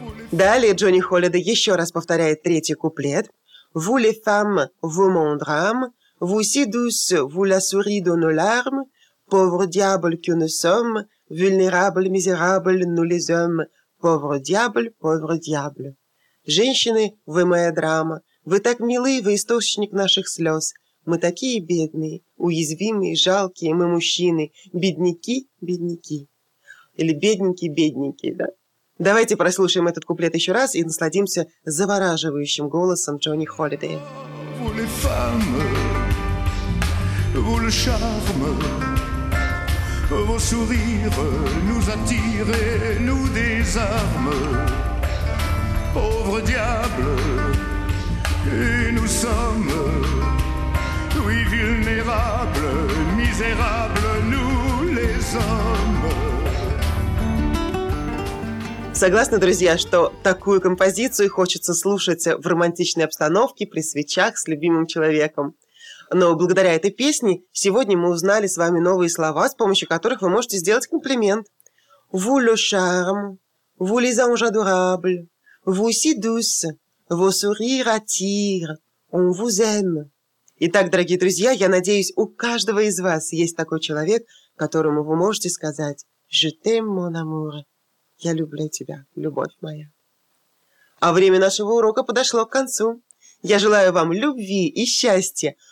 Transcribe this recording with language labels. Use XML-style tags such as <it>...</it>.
<ru>Далее Джонни Холлидей еще раз повторяет третий куплет.</ru> <fr>Vous les femmes, vous mon drame, vous si douce, vous la souris de nos larmes, pauvre diable que nous sommes, vulnérable, misérable, nous les hommes, pauvre diable, pauvre diable.</fr> <ru>Женщины, вы моя драма, вы так милы, вы источник наших слез, мы такие бедные, уязвимые, жалкие, мы мужчины, бедняки, бедняки. Или бедненьки, бедненьки, да? Давайте прослушаем этот куплет еще раз и насладимся завораживающим голосом Джонни Холлидей.</ru> <fr>Vous les femmes, vous le charme, vos sourires nous attirent et nous désarment. Pauvre diable, et nous sommes, oui, vulnérables, misérables, nous les hommes.</fr> <ru>Согласны, друзья, что такую композицию хочется слушать в романтичной обстановке, при свечах, с любимым человеком? Но благодаря этой песне сегодня мы узнали с вами новые слова, с помощью которых вы можете сделать комплимент.</ru> <fr>Vous le charme, vous les anges adorables, vous si douce, vos sourires attirent, on vous aime.</fr> <ru>Итак, дорогие друзья, я надеюсь, у каждого из вас есть такой человек, которому вы можете сказать</ru> <fr>«Je t'aime, mon amour».</fr> <ru>Я люблю тебя, любовь моя. А время нашего урока подошло к концу. Я желаю вам любви и счастья.</ru>